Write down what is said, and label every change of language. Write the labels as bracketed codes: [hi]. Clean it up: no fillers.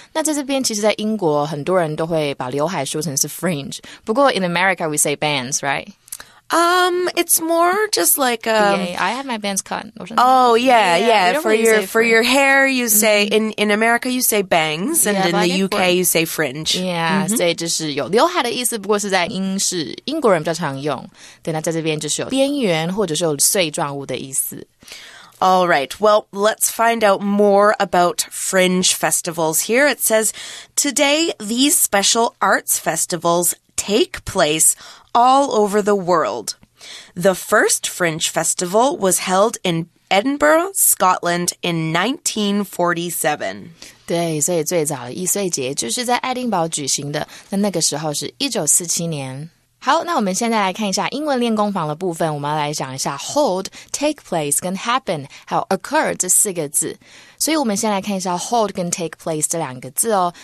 [zh] 那在这边，其实在英国，很多人都会把刘海说成是 fringe。不过 [en] in America we say bands, right? It's more just like, I have my bangs cut. Oh, yeah. For your hair, you say, in America, you say bangs, and yeah, in the UK, you say fringe. Yeah, mm-hmm. [zh] 所以就是有刘海的意思，不过是在英国人比较常用。对，那在这边就是有边缘或者是有碎状物的意思。 [en] All right, well, let's find out more about fringe festivals here. It says, today, these special arts festivals take place all over the world. The first fringe festival was held in Edinburgh, Scotland in 1947. [zh] 对，所以最早的易碎节就是在爱丁堡举行的，那个时候是1947年。好，那我们现在来看一下英文练功坊的部分，我们要来讲一下 hold, take place 跟 happen, 还有 occur 这四个字。所以我们先来看一下 hold 跟 take place 这两个字哦。